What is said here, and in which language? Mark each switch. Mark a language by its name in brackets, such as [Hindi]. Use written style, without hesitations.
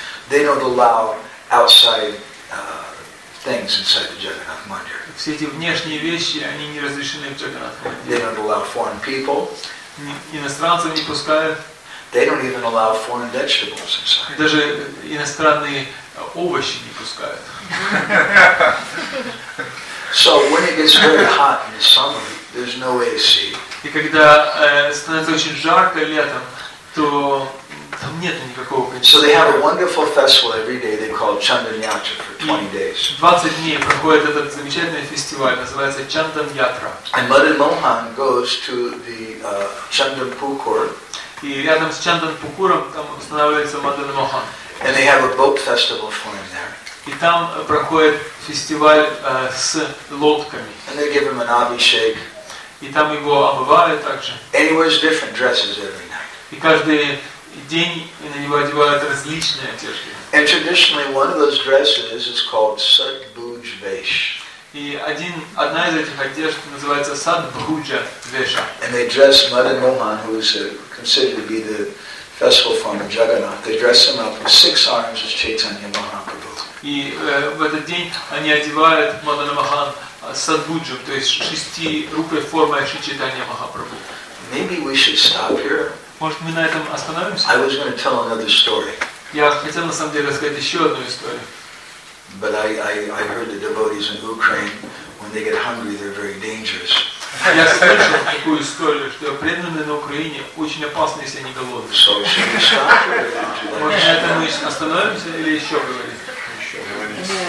[English] They don't allow outside things inside the Jagannath Mandir. [Russian] Все эти внешние вещи, они не разрешены в Джаганнатх Мандире. [English] They don't allow foreign people. [Russian] Иностранцев не пускают. [English] They don't even allow foreign vegetables inside. [Russian] Даже иностранные овощи не пускают. [English] So when it gets very hot in the summer, there's no AC. [Russian] И когда становится очень жарко летом, то там нет никакого кондиционера. [English] So they have a wonderful festival every day. They call Chandan Yatra for 20 days. [Russian] 20 дней проходит этот замечательный фестиваль, называется Чандан Ятра. [English] And Madan Mohan goes to the Chandan Pukur. [Russian] И рядом с Чандан Пукуром там устанавливается Мадан Мохан. [English] And they have a boat festival for him there. [Russian] И там проходит фестиваль с лодками. [English] And they give him an abhishek. [Russian] И там его обывают также. [English] And he wears different dresses every night. [Russian] И каждый день на него одевают различные одежды. [English] And traditionally one of those dresses is called Satbhuj Vesh. [Russian] И одна из этих одежд называется Satbhuja Vesha. [English] And they dress Madan Mohan, who is considered to be the festival form of Jagannath. They dress him up with six arms as Chaitanya Mahaprabhu. [Russian] И в этот день они одевают Мадана Махан Садбуджу, то есть шести рупой формой Шри Чайтанья Махапрабху. [English] Maybe we should stop here. [Russian] Может, мы на этом остановимся? [English] I was going to tell another story. [Russian] Я хотел на самом деле рассказать еще одну историю. [English] But I heard the devotees in Ukraine, when they get hungry, they're very dangerous. [Russian] Я слышал такую историю, что преданные на Украине очень опасны, если они голодны. [English] So should we stop here? [Russian] Может, на этом мы остановимся или еще говорить?